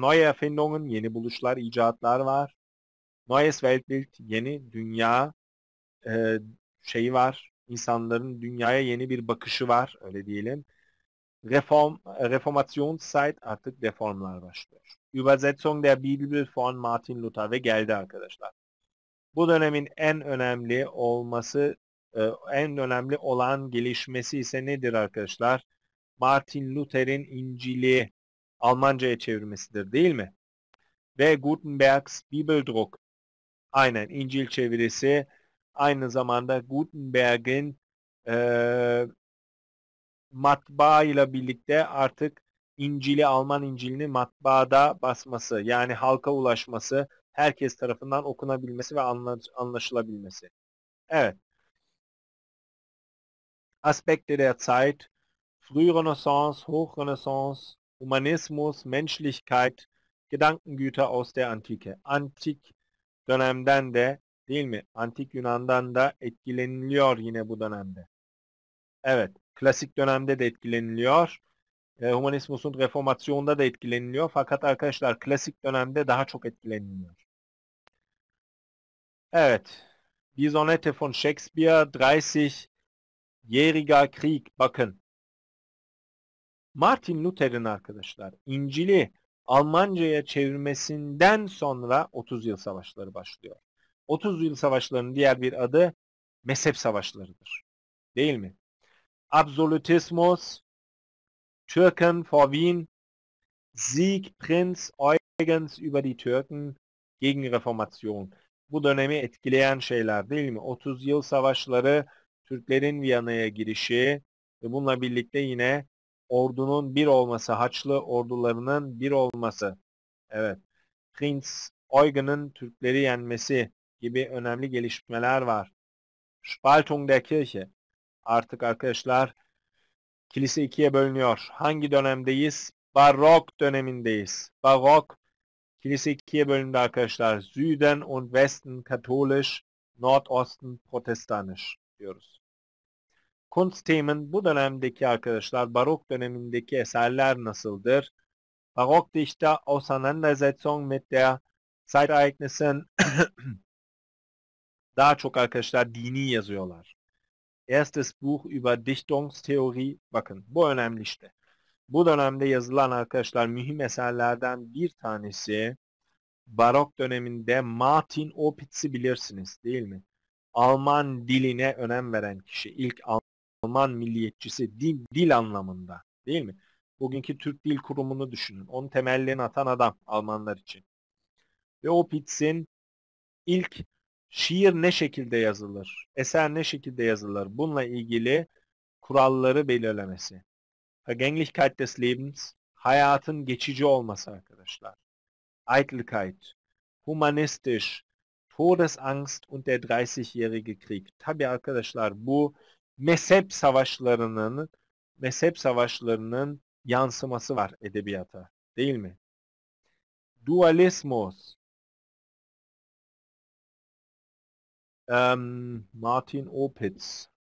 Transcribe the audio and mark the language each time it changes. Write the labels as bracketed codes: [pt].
[de] Neue Erfindungen, [tr] yeni buluşlar, icatlar var. [de] Neues Weltbild, [tr] yeni dünya şeyi var. İnsanların dünyaya yeni bir bakışı var, öyle diyelim. Reformationszeit, artık reformlar başlıyor. [de] Übersetzung der Bibel von Martin Luther [tr] ve geldi arkadaşlar. Bu dönemin en önemli olan gelişmesi ise nedir arkadaşlar? Martin Luther'in İncil'i Almanca'ya çevirmesidir değil mi? Ve [de] Gutenberg's Bibeldruck. [tr] Aynen, İncil çevirisi aynı zamanda Gutenberg'in matbaa ile birlikte artık İncil'i, Alman İncil'ini matbaada basması, yani halka ulaşması, herkes tarafından okunabilmesi ve anlaşılabilmesi. Evet. [de] Aspekte der Zeit, Frührenaissance, Hochrenaissance, Humanismus, Menschlichkeit, Gedankengüter aus der Antike. [tr] Antik dönemden de değil mi? Antik Yunan'dan da etkileniliyor yine bu dönemde. Evet, klasik dönemde de etkileniliyor. Humanismus'un Reformasyon'da da etkileniliyor. Fakat arkadaşlar klasik dönemde daha çok etkileniliyor. Evet, [de] Die Sonette von Shakespeare, 30 Jähriger Krieg, [tr] bakın. Martin Luther'in arkadaşlar İncil'i Almanca'ya çevirmesinden sonra 30 yıl savaşları başlıyor. 30 yıl savaşlarının diğer bir adı mezhep savaşlarıdır. Değil mi? [de] Absolutismus, Türken vor Wien, Sieg Prinz Eugens über die Türken gegen Reformation. [tr] Bu dönemi etkileyen şeyler değil mi? 30 yıl savaşları, Türklerin Viyana'ya girişi ve bununla birlikte yine ordunun bir olması, Haçlı ordularının bir olması. Evet. Prince Eugen'ın Türkleri yenmesi gibi önemli gelişmeler var. [de] Spaltung der Kirche. [tr] Artık arkadaşlar kilise ikiye bölünüyor. Hangi dönemdeyiz? Barok dönemindeyiz. Barok kilise ikiye bölündü arkadaşlar. [de] Süden und Westen katholisch, Nordosten protestanisch [tr] diyoruz. Kunstthemen bu dönemdeki arkadaşlar barok dönemindeki eserler nasıldır? [de] Barok dichte Auseinandersetzung mit der Zeitereignissen [tr] daha çok arkadaşlar dini yazıyorlar. [de] Erstes Buch über Dichtungstheorie, [tr] bakın bu önemli işte. Bu dönemde yazılan arkadaşlar mühim eserlerden bir tanesi Barok döneminde Martin Opitz'i bilirsiniz, değil mi? Alman diline önem veren kişi, ilk Alman milliyetçisi dil anlamında, değil mi? Bugünkü Türk Dil Kurumu'nu düşünün. Onun temellerini atan adam Almanlar için. Ve Opitz'in ilk şiir ne şekilde yazılır, eser ne şekilde yazılır, bununla ilgili kuralları belirlemesi. [de] Vergänglichkeit des Lebens, [tr] hayatın geçici olması arkadaşlar. [de] Eitelkeit, humanistisch, Todesangst und der 30-jährige Krieg. [tr] Tabii arkadaşlar bu mezhep savaşlarının yansıması var edebiyata, değil mi? [de] Dualismus. Martin Opitz.